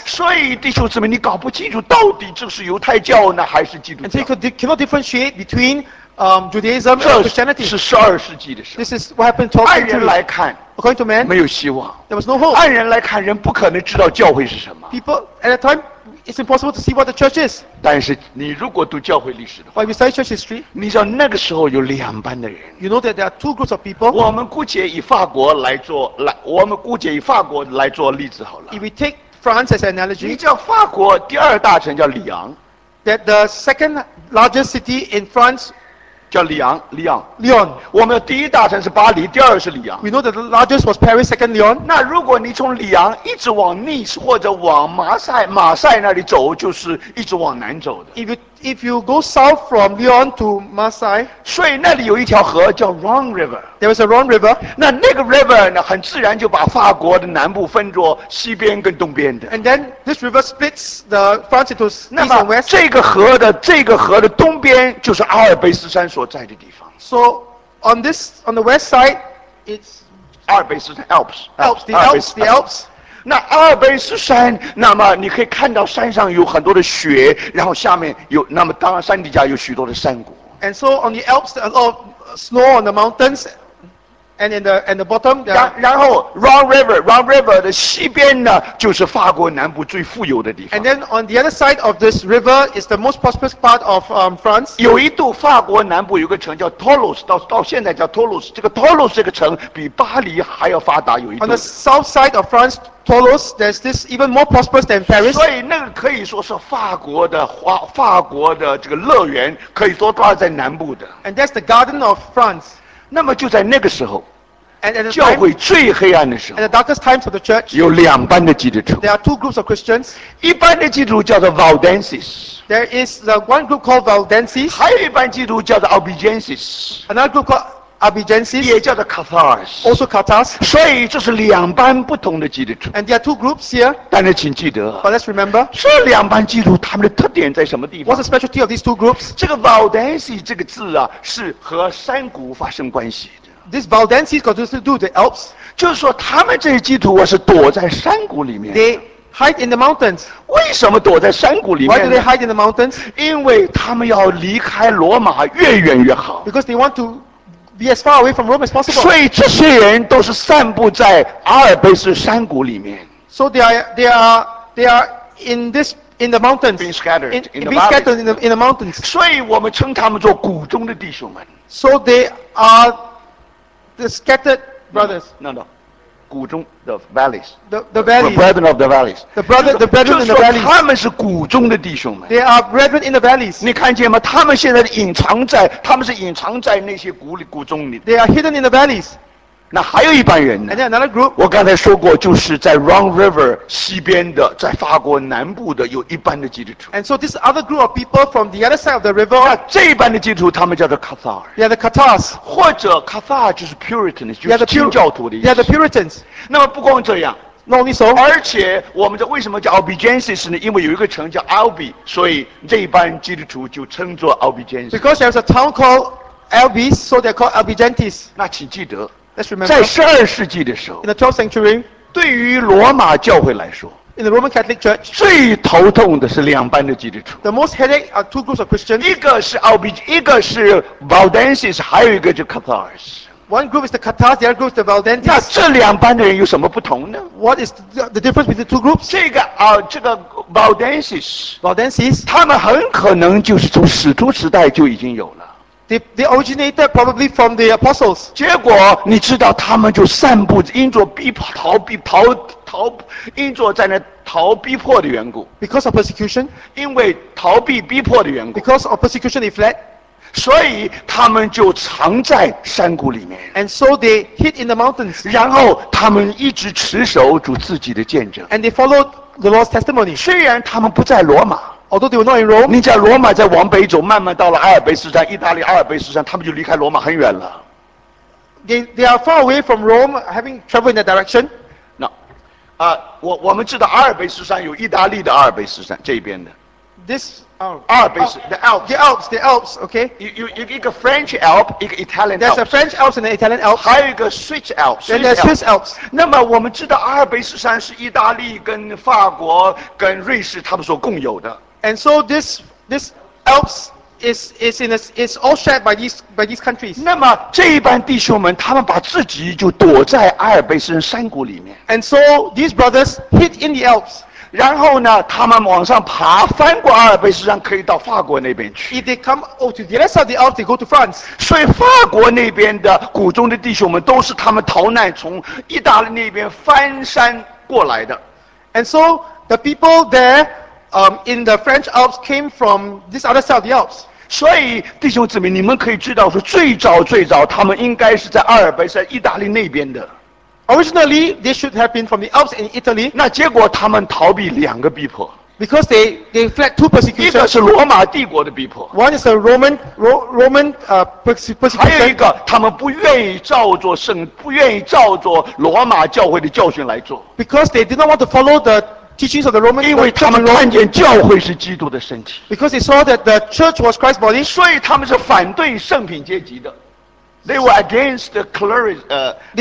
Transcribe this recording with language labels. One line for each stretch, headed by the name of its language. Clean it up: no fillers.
Chinese: 所以弟兄姊妹，你搞不清楚到底这是犹太教呢还是基督教。
English: And so you cannot differentiate between Judaism and Christianity.
Chinese: 这是12世纪的事。
English: This is what happened to 12th century.
Chinese: 按人来看。
English: According to man,
Chinese: 没有希望。
English: There was no hope.
Chinese: 按人来看，人不可能知道教会是什么。
English: People at that time, it's impossible to see what the church is.
Chinese: 但是你如果读教会历史的话
English: ，But if you study church history,
Chinese: 你知道那个时候有两班的人。
English: You know that there are two groups of people.
Chinese: 我们姑且以法国来做我们姑且以法国来做例子好了。
English: If we take France as an analogy,
Chinese: 你知道法国第二大城叫里昂。
English: That the second largest city in France.
Chinese: 叫里昂，里昂，里昂。我们第一大城是巴黎，第二是里昂。
English: We know that the largest was Paris, second Lyon.
Chinese: 那如果你从里昂一直往 Nice 或者往马赛那里走，就是一直往南走的。
English: If you go south from Lyon to Marseille,
Chinese: 所以那里有一条河叫 Rhone River.
English: There was a Rhone River.
Chinese: 那个 river 呢，很自然就把法国的南部分作西边跟东边的。
English: And then this river splits the France into east and west.
Chinese: 那么这个河的东边就是阿尔卑斯山所在的地方。
English: So on this on the west side, it's
Chinese: 阿尔卑斯山 Alps.
English: Alps. The Alps. 那阿尔卑斯山，那么你可以看到山上有很多的雪，然后下面有，那么当然山底下有许多的山谷。 And so on the Alps, a lot of snow on the mountains, and in the and the bottom. Yeah.
Chinese: 然后 Rhone River 的西边呢，就是法国南部最富有的地方。
English: And then on the other side of this river is the most prosperous part of France.
Chinese: 有一度法国南部有个城叫 Toulouse， 到现在叫 Toulouse。这个 Toulouse 这个城比巴黎还要发达。有一度。
English: On the south side of France. Toulouse, there's this even more prosperous than Paris.
Chinese: 所以那个可以说是法国的这个乐园，可以说都是在南部的。
English: And that's the garden of France.
Chinese: 那么就在那个时候
English: ，and at the time,
Chinese: 教会最黑暗的时候
English: ，at the darkest times of the church,
Chinese: 有两班的基督徒。
English: There are two groups of Christians.
Chinese: 一班的基督徒叫做 Waldenses.
English: There is the one group called Waldenses.
Chinese: 还有一班基督徒叫做 Albigenses.
English: Another group called Albigenses,
Chinese: 也叫做 Cathars,
English: also Cathars.
Chinese: 所以这是两班不同的基督徒。
English: And there are two groups here.
Chinese: 但是请记得。
English: But let's remember.
Chinese: 这两班基督徒他们的特点在什么地方
English: ？What's the specialty of these two groups?
Chinese: 这个 Waldenses 这个字啊，是和山谷发生关系的。
English: This Waldenses got to do the Alps.
Chinese: 就是说他们这些基督徒是躲在山谷里面的。
English: They hide in the mountains.
Chinese: 为什么躲在山谷里面呢
English: ？Why do they hide in the mountains?
Chinese: 因为他们要离开罗马越远越好。
English: Because they want to. Be as far away from Rome as possible. 所以这些人都是散布在阿尔卑斯山谷里面。 So they are in this in the mountains. Being scattered in the valley. Being scattered in the mountains.
Chinese: 所以我们称他们做谷中的弟兄们。
English: So they are the scattered brothers. No. 谷中 the valleys. The valleys. The brethren of the valleys. The brethren in the valleys.
Chinese: 就是说他们是谷中的弟兄们。
English: They are brethren in the valleys.
Chinese: 你看见吗？他们现在隐藏在，他们是隐藏在那些谷里、谷中里。
English: They are hidden in the valleys.
Chinese: 那还有一帮人呢。
English: And then another group.
Chinese: 我刚才说过，就是在 Rhone River 西边的，在法国南部的有一帮的基督徒。
English: And so this other group of people from the other side of the river.
Chinese: 那这一帮的基督徒，他们叫做 Cathars.
English: They are the Cathars.
Chinese: 或者 Cathars 就是 Puritans， 就是清教徒的意思。
English: They are the Puritans.
Chinese: 那么不光这样。
English: Not only so.
Chinese: 而且我们这为什么叫 Albigenses 呢？因为有一个城叫 Albi， 所以这一帮基督徒就称作 Albigenses.
English: Because there's a town called Albi, so they're called Albigenses.
Chinese: 那请记得。
English: Let's remember,
Chinese: 在十二世纪的时候
English: ，In the 12th century,
Chinese: 对于罗马教会来说
English: ，In the Roman Catholic Church,
Chinese: 最头痛的是两班的基督徒。
English: The most headache are two groups of Christians.
Chinese: 一个是 Albigenses， 还有一个就 Cathars。
English: One group is the Katas, the other group is the Valdentis.
Chinese: 那这两班的人有什么不同呢
English: ？What is the difference between the two groups？
Chinese: 这个啊，这个 Valdensis， Valdensis，他们很可能就是从使徒时代就已经有了。
English: They originated probably from the apostles.
Chinese: 结果你知道，他们就散布因着逼迫、逃避、逃逃，因着在那逃逼迫的缘故。
English: Because of persecution.
Chinese: 因为逃避逼迫的缘故。
English: Because of persecution, they fled.
Chinese: 所以他们就藏在山谷里面。
English: And so they hid in the mountains.
Chinese: 然后他们一直持守主自己的见证。
English: And they followed the Lord's testimony.
Chinese: 虽然他们不在罗马。
English: Although they were not in Rome,
Chinese: 你在罗马再往北走，慢慢到了阿尔卑斯山，意大利阿尔卑斯山，他们就离开罗马很远了。
English: They are far away from Rome, having traveled in that direction.
Chinese: 那，啊，我们知道阿尔卑斯山有意大利的阿尔卑斯山这边的。
English: This the Alps, okay. You French Alp,
Chinese: 一个
English: Italian. There's Alps. A French Alps and an Italian Alps.
Chinese: 还有一个 Swiss Alps.
English: Then there's Swiss Alps.
Chinese: 那么我们知道阿尔卑斯山是意大利跟法国跟瑞士他们所共有的。
English: And so this Alps is all shared by these countries.
Chinese: 那么这一班弟兄们，他们把自己就躲在阿尔卑斯山谷里面。
English: And so these brothers hid in the Alps.
Chinese: 然后呢，他们往上爬，翻过阿尔卑斯山，可以到法国那边去。
English: If they come over to the other side of the Alps, they go to France.
Chinese: 所以法国那边的谷中的弟兄们，都是他们逃难从意大利那边翻山过来的。
English: And so the people there. In the French Alps came from this other side of the Alps.
Chinese: 所以弟兄姊妹，你们可以知道说，最早他们应该是在阿尔卑斯山意大利那边的。
English: Originally, they should have been from the Alps in Italy.
Chinese: 那结果他们逃避两个逼迫。
English: Because they fled two persecutions.
Chinese: 一个是罗马帝国的逼迫。
English: One is a Roman persecution.
Chinese: 还有一个，他们不愿意照着罗马教会的教训来做。
English: Because they did not want to follow the teachings of the Roman,
Chinese: 因为他们看见教会是基督的身体。
English: Because they saw that the church was Christ's body,
Chinese: 所以他们是反对圣品阶级的。
English: They were against the clericalism.